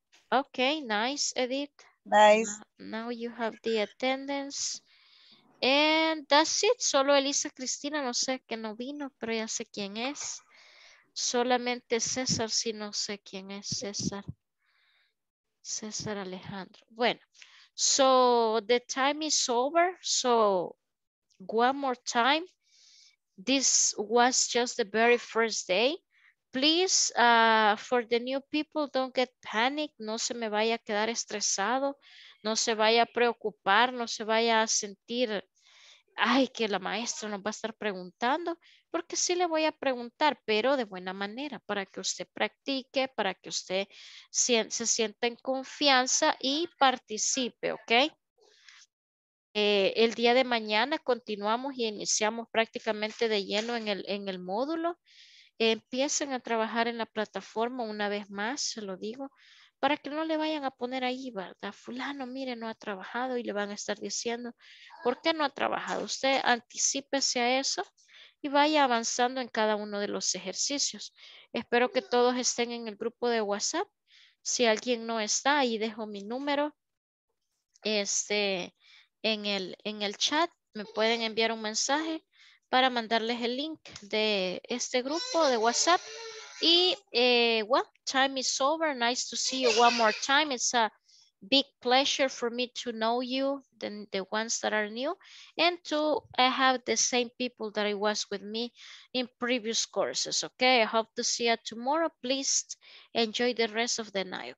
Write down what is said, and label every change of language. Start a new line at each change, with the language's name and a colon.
English: Ok, nice, Edith. Nice. Now you have the attendance. And that's it,
Spanish: solo Elisa Cristina, no sé que no vino, pero ya sé quién es. Solamente César, sí, no sé quién es César. César Alejandro.
English: Bueno, so the time is over, so one more time, this was just the very first day. Please, for the new people, don't get panicked.
Spanish: No se me vaya a quedar estresado, no se vaya a preocupar, no se vaya a sentir, ay, que la maestra nos va a estar preguntando, porque sí le voy a preguntar, pero de buena manera, para que usted practique, para que usted se sienta en confianza y participe, ¿ok? El día de mañana continuamos y iniciamos prácticamente de lleno en el módulo. Empiecen a trabajar en la plataforma una vez más, se lo digo, para que no le vayan a poner ahí, ¿verdad? Fulano, mire, no ha trabajado, y le van a estar diciendo, ¿por qué no ha trabajado? Usted anticípese a eso y vaya avanzando en cada uno de los ejercicios. Espero que todos estén en el grupo de WhatsApp. si alguien no está, ahí dejo mi número en el chat. Me pueden enviar un mensaje para mandarles el link de este grupo de WhatsApp.
English: Y well, time is over. Nice to see you one more time. It's a big pleasure for me to know you, the ones that are new, and to have the same people that I was with me in previous courses. Okay, I hope to see you tomorrow. Please enjoy the rest of the night.